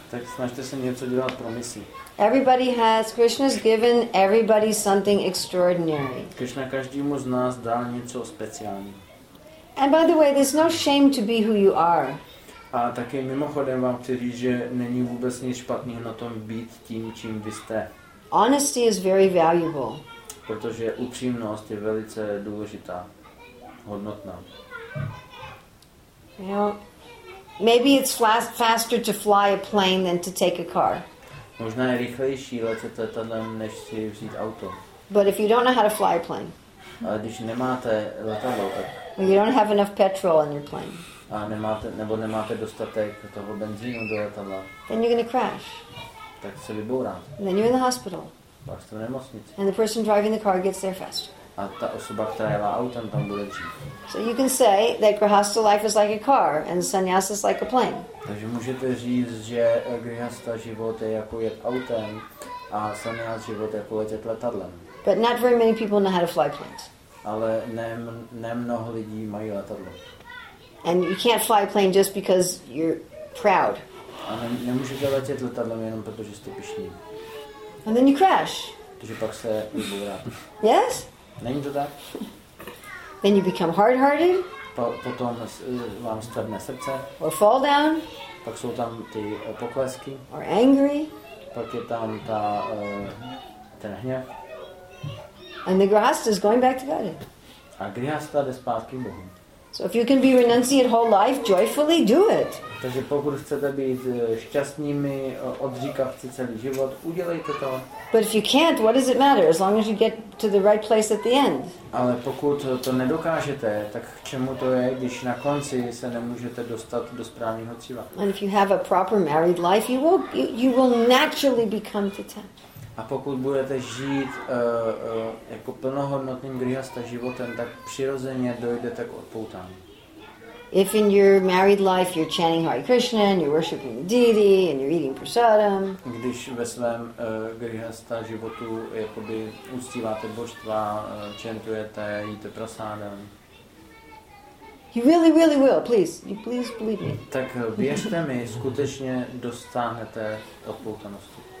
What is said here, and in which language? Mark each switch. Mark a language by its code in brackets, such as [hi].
[cs] Tak snažte se něco dělat pro misi. [en] Everybody has, Krishna's given everybody something extraordinary. [cs] Krishna každému z nás dal něco speciální. [en] And by the way, there's no shame to be who you are. [cs] A taky mimochodem vám chci říct, že není vůbec nic špatného na tom být tím, čím vy jste. [en] Honesty is very valuable. [cs] Protože upřímnost je velice důležitá, hodnotná. [en] You know, maybe it's faster to fly a plane than to take a car. [cs] Možná je rychlejší letět letadlem, než si vzít auto. [en] But if you don't know how to fly a plane. [cs] Ale když nemáte letadlo, tak. [en] Or you don't have enough petrol in your plane. [cs] A nemáte, nebo nemáte dostatek toho benzínu do letadla. [en] Then you're gonna crash. [cs] Tak se vyboráte. [en] And then you're in the hospital. [cs] Pak jste v nemocnici. [en] And the person driving the car gets there faster. [cs] A ta osoba, která jela autem, tam bude dřív. [en] So you can say that grihastha life is like a car and sannyas is like a plane. [cs] Takže můžete říct, že grihastha život je jako jet autem a sannyas život je jako letět letadlem. [en] But not very many people know how to fly planes. [cs] Ale nemnoho lidí mají letadlo. [en] And you can't fly a plane just because you're proud. [cs] A nemůžete letět letadlem jenom protože jste pyšní. [en] And then you crash. [cs] Takže pak se vyboráte. [en] Yes? [cs] Není to tak? [en] Then you become hard-hearted. [cs] Potom vám stvrdne srdce. [en] Or fall down. [cs] Pak jsou tam ty poklesky. [en] Or angry. [cs] Pak je tam ta ten hněv. [en] And the grihastha is going back to God. [cs] A grihastha jde zpátky Bohu. [en] So if you can be renunciate whole life joyfully, do it. [cs] Takže pokud chcete být šťastnými odříkavci celý život, udělejte to. [en] But if you can't, what does it matter? As long as you get to the right place at the end. [cs] Ale pokud to nedokážete, tak k čemu to je, když na konci se nemůžete dostat do správného cíle? [en] And if you have a proper married life, you will naturally become content. [cs] A pokud budete žít jako plnohodnotným grihastha životem, tak přirozeně dojdete k odpoutání. [en] If in your married life you're chanting Hare Krishna and you're worshiping the deity and you're eating prasadam. [cs] Když ve svém grihastha životu jakoby uctíváte božstva, chantujete, jíte prasadam. [en] You really, really will. Please, you please believe me. [cs] Tak věřte mi, skutečně dostanete odpoutanosti.